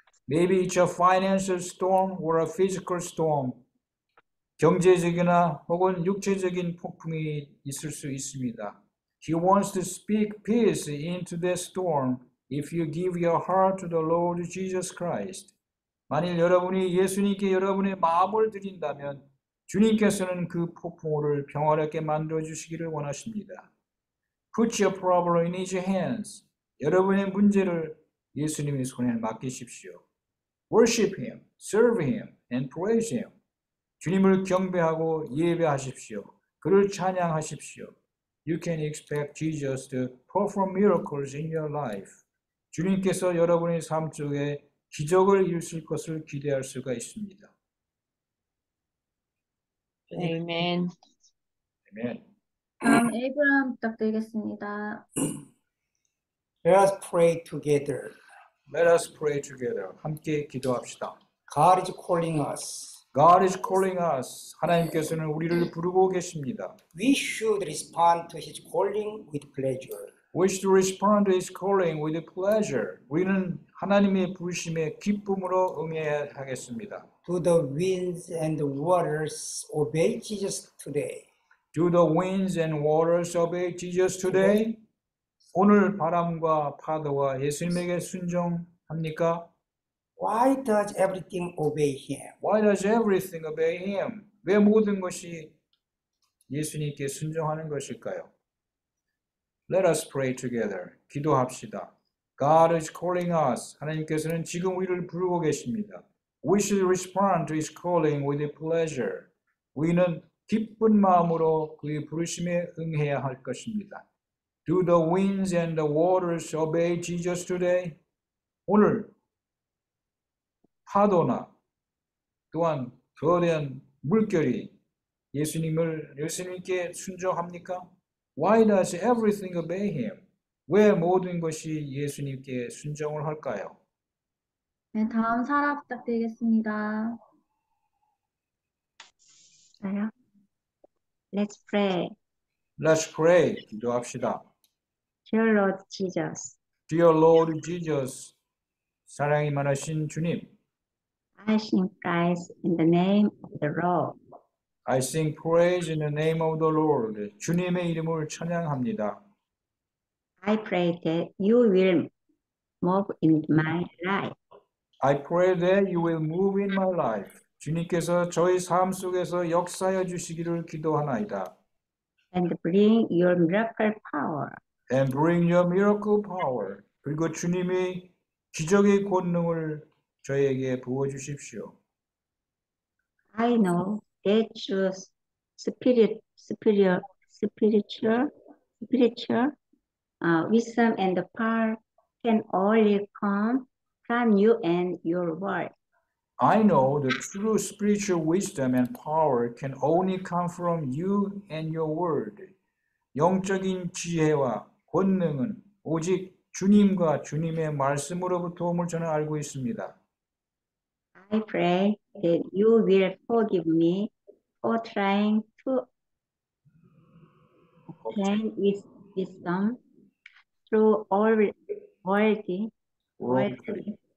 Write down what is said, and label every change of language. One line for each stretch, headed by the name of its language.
English: Maybe it's a financial storm or a physical storm.
Korean: 경제적이나 혹은 육체적인 폭풍이 있을 수 있습니다.
English: He wants to speak peace into the storm if you give your heart to the Lord Jesus Christ.
Korean: 만일 여러분이 예수님께 여러분의 마음을 드린다면 주님께서는 그 폭풍우를 평화롭게 만들어 주시기를 원하십니다.
English: Put your problem in his hands.
Korean: 여러분의 문제를 예수님의 손에 맡기십시오.
English: Worship him, serve him, and praise him.
Korean: 주님을 경배하고 예배하십시오. 그를 찬양하십시오.
English: You can expect Jesus to perform miracles in your life.
Korean: 주님께서 여러분의 삶 속에 기적을 이루실 것을 기대할 수가 있습니다.
English: Amen. Amen.
Korean: 에이브라함 부탁드리겠습니다.
English: Let us pray together. Let us pray together.
Korean: 함께 기도합시다.
English: God is calling us. God is calling us.
Korean: 하나님께서는 우리를 부르고 계십니다.
English: We should respond to His calling with pleasure. We should respond to His calling with pleasure.
Korean: 우리는 하나님의 부르심에 기쁨으로 응해야 하겠습니다.
English: Do the winds and the waters obey Jesus today? Do the winds and waters obey Jesus today?
Korean: 오늘 바람과 파도와 예수님에게 순종합니까?
English: Why does everything obey him? Why does everything obey him?
Korean: 왜 모든 것이 예수님께 순종하는 것일까요?
English: Let us pray together.
Korean: 기도합시다.
English: God is calling us.
Korean: 하나님께서는 지금 우리를 부르고 계십니다.
English: We should respond to his calling with pleasure.
Korean: 우리는 기쁜 마음으로 그의 부르심에 응해야 할 것입니다.
English: Do the winds and the waters obey Jesus today?
Korean: 오늘 파도나 또한 거대한 물결이 예수님께 순종합니까?
English: Why does everything obey him?
Korean: 왜 모든 것이 예수님께 순종을 할까요? 네, 다음 사라 부탁드리겠습니다.
English: 사라? Let's pray. Let's pray.
Korean: 기도합시다.
English: Dear Lord Jesus. Dear Lord Jesus.
Korean: 사랑이 많으신 주님.
English: I sing praise in the name of the Lord. I sing praise in the name of the Lord.
Korean: 주님의 이름을 찬양합니다.
English: I pray that you will move in my life. I pray that you will move in my life.
Korean: 주님께서 저희 삶 속에서 역사해 주시기를 기도하나이다.
English: And bring your miracle power. And bring your miracle power.
Korean: 그리고 주님의 기적의 권능을 저희에게 부어주십시오.
English: I know that your spiritual wisdom and the power can only come from you and your word. I know the true spiritual wisdom and power can only come from you and your word.
Korean: 영적인 지혜와 권능은 오직 주님과 주님의 말씀으로부터 옴을 저는 알고 있습니다.
English: I pray that you will forgive me for trying to obtain wisdom through worldly knowledge.